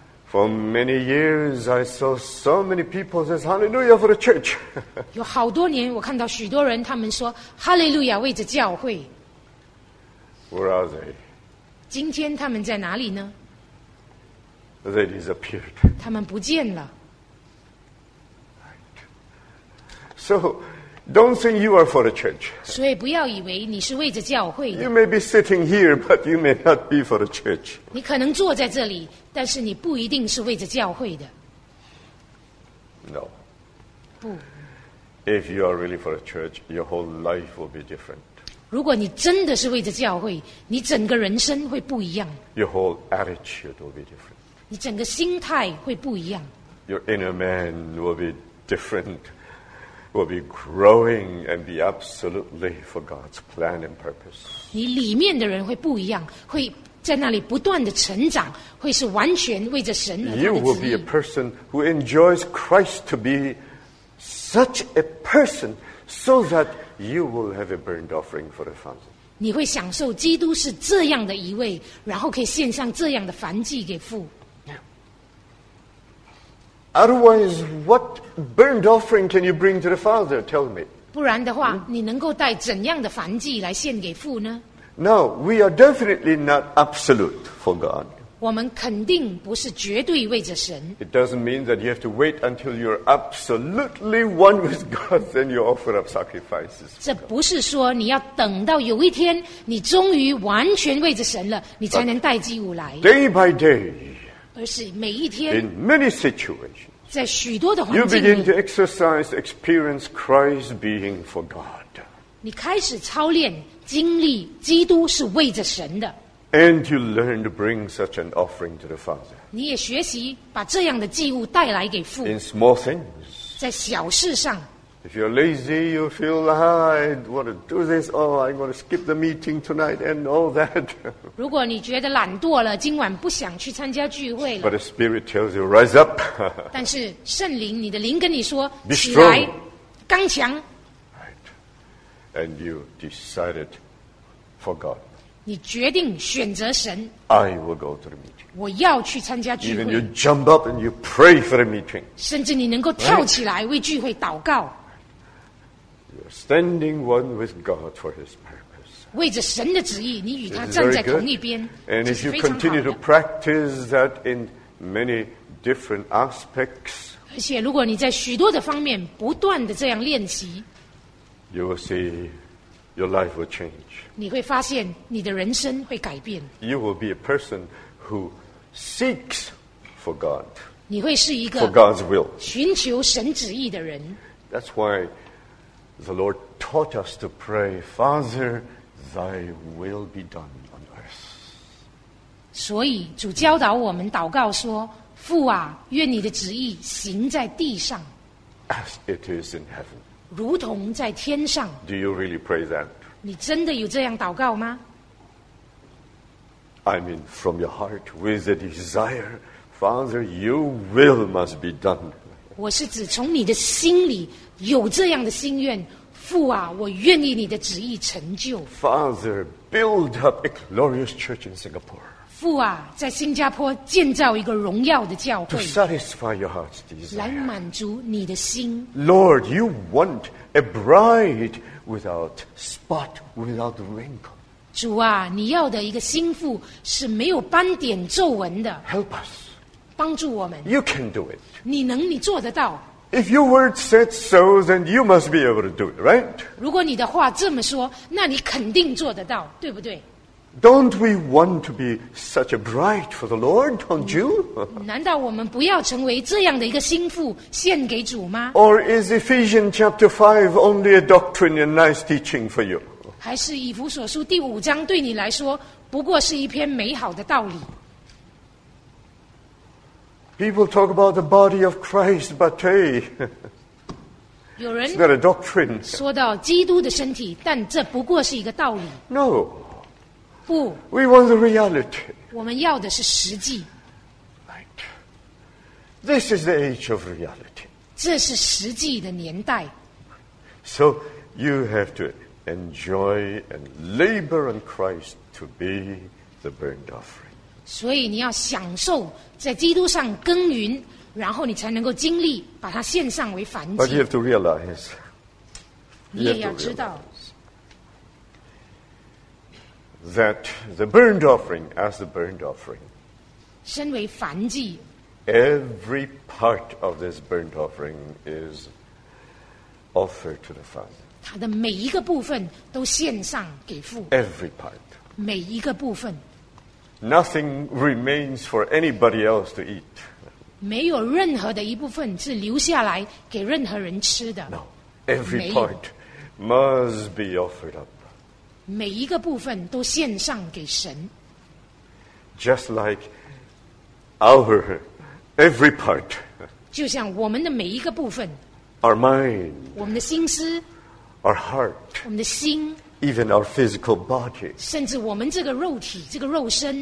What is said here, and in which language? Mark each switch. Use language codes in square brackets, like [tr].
[en] For many years, I saw so many people say Hallelujah for the church. [zh] 有好多年，我看到许多人，他们说 Hallelujah 为着教会。 [en] Where are they? [zh] 今天他们在哪里呢？ [en] They disappeared. [zh] 他们不见了。 [en] Right. So, don't think you are for the church. [zh] 所以不要以为你是为着教会。 [en] You may be sitting here, but you may not be for the church. [zh] 你可能坐在这里，但是你不一定是为着教会的。 [en] No. [zh] 不。 [en] If you are really for the church, your whole life will be different. [zh] 如果你真的是为着教会，你整个人生会不一样。 [en] Your whole attitude will be different. [zh] 你整个心态会不一样。 [en] Your inner man will be different, will be growing and be absolutely for God's plan and purpose. [zh] 你里面的人会不一样，会在那里不断的成长，会是完全为着神而他的旨意。 [en] You will be a person who enjoys Christ to be such a person, so that you will have a burnt offering for the Father. [zh] 你会享受基督是这样的一位，然后可以献上这样的燔祭给父。 [en] Otherwise, what burnt offering can you bring to the Father? Tell me. [zh] 不然的话，你能够带怎样的燔祭来献给父呢？ [en] No, we are definitely not absolute for God. [zh] 我们肯定不是绝对为着神。 [en] It doesn't mean that you have to wait until you're absolutely one with God, then you offer up sacrifices. [zh] 这不是说你要等到有一天你终于完全为着神了，你才能带祭物来。 [en] Day by day, [zh] 而是每一天 [en] in many situations, [zh] 在许多的环境里 [en] you begin to exercise, experience Christ being for God. [zh] 你开始操练经历基督是为着神的。 [en] And you learn to bring such an offering to the Father. [zh] 你也学习把这样的祭物带来给父。 [en] In small things. [zh] 在小事上。 [en] If you're lazy, you feel like, I want to do this, oh, I want to skip the meeting tonight and all that. [zh] 如果你觉得懒惰了，今晚不想去参加聚会了。 [en] But the Spirit tells you, rise up. [zh] 但是圣灵，你的灵跟你说， [en] Be strong. [zh] 起来，刚强。 [en] And you decided for God. [zh] 你决定选择神。 [en] I will go to the meeting. [zh] 我要去参加聚会。 [en] Even you jump up and you pray for the meeting. [zh] 甚至你能够跳起来为聚会祷告。 [en] You're standing one with God for His purpose. [zh] 为着神的旨意，你与他站在同一边。 [en] And if you continue to practice that in many different aspects. [zh] 而且如果你在许多的方面不断的这样练习。 [en] You will see your life will change. [zh] 你会发现你的人生会改变。 [en] You will be a person who seeks for God. [zh] 你会是一个 [en] for God's will. [zh] 寻求神旨意的人。 [en] That's why the Lord taught us to pray, Father, Thy will be done on earth. [zh] 所以主教导我们祷告说，父啊，愿你的旨意行在地上。 [en] As it is in heaven. [zh] 如同在天上。 [en] Do you really pray that? [zh] 你真的有这样祷告吗？ [en] I mean, from your heart, with a desire, Father, your will must be done. [zh] 我是指从你的心里有这样的心愿，父啊，我愿意你的旨意成就。 [en] Father, build up a glorious church in Singapore. [zh] 父啊，在新加坡建造一个荣耀的教会。 [en] To satisfy your heart's desire. [zh] 来满足你的心。 [en] Lord, you want a bride without spot, without wrinkle. [zh] 主啊，你要的一个心腹是没有斑点皱纹的。 [en] Help us. [zh] 帮助我们。 [en] You can do it. [zh] 你能，你做得到。 [en] If your word said so, then you must be able to do it, right? [zh] 如果你的话这么说，那你肯定做得到，对不对？ [en] Don't we want to be such a bride for the Lord, don't you? [zh] 难道我们不要成为这样的一个心腹献给主吗？ [en] Or is Ephesians chapter 5 only a doctrine and nice teaching for you? [zh] 还是以弗所书第五章对你来说不过是一篇美好的道理？ [en] People talk about the body of Christ, but hey, [zh] 有人 [en] it's not a doctrine. [zh] 说到基督的身体，但这不过是一个道理。 [en] No. We want the reality. [zh] 我们要的是实际。 [en] Right. This is the age of reality. [zh] 这是实际的年代。 [en] So you have to enjoy and labor on Christ to be the burnt offering. [zh] 所以你要享受在基督上耕耘，然后你才能够经历把它献上为燔祭。 [en] But you have to realize. [zh] 你也要知道。 [en] That the burnt offering, as the burnt offering, [zh] 身为燔祭 [en] every part of this burnt offering is offered to the Father. [zh] 它的每一个部分都献上给父。 [en] Every part. [zh] 每一个部分。 [en] Nothing remains for anybody else to eat. [zh] 没有任何的一部分是留下来给任何人吃的。 [en] No, every part must be offered up. [zh] 每一个部分都献上给神。 [en] Just like our every part. [zh] 就像我们的每一个部分。 [en] Our mind. [zh] 我们的心思。 [en] Our heart. [zh] 我们的心。 [en] even our physical body. [zh] 甚至我们这个肉体，这个肉身。